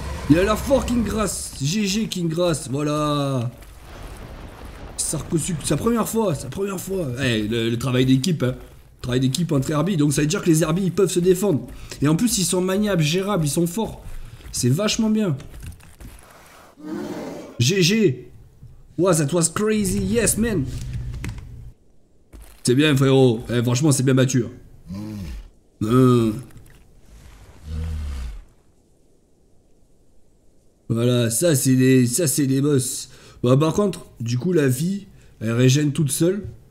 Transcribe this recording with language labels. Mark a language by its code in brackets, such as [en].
[fr] Il a l'air fort, Kingroth. GG, Kingroth, voilà. Sarcosuchus, sa première fois, sa première fois. Eh, hey, le travail d'équipe, hein. Travail d'équipe entre herbies, donc ça veut dire que les herbies ils peuvent se défendre. Et en plus ils sont maniables, gérables, ils sont forts. C'est vachement bien. GG. [en] Wow, that was crazy, yes man. [fr] C'est bien frérot, eh, franchement c'est bien battu. Voilà, ça c'est des boss. Bah, par contre, du coup la vie, elle régène toute seule.